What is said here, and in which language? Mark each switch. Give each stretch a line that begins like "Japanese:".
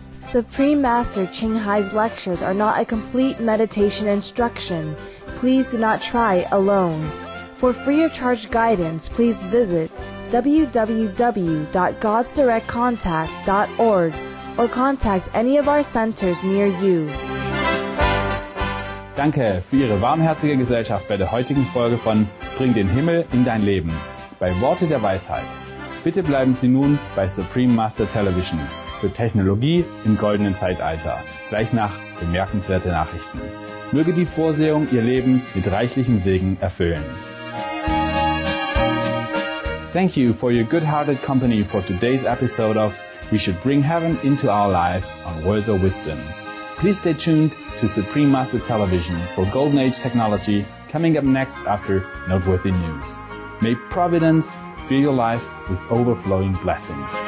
English: Supreme Master Ching Hai's lectures are not a complete meditation instruction. Please do not try alone. For free of charge guidance, please visit www.godsdirectcontact.org or contact any of our centers near you.
German: danke für Ihre warmherzige Gesellschaft bei der heutigen Folge von Bring den Himmel in dein Leben bei Worte der Weisheit. Bitte bleiben Sie nun bei Supreme Master Television für Technologie im goldenen Zeitalter, gleich nach bemerkenswerte Nachrichten. Möge die Vorsehung Ihr Leben mit reichlichem Segen erfüllen.
English: Thank you for your good-hearted company for today's episode of We Should Bring Heaven into Our Life on Words of Wisdom. Please stay tuned to Supreme Master Television for Golden Age Technology coming up next after Noteworthy News. May Providence fill your life with overflowing blessings.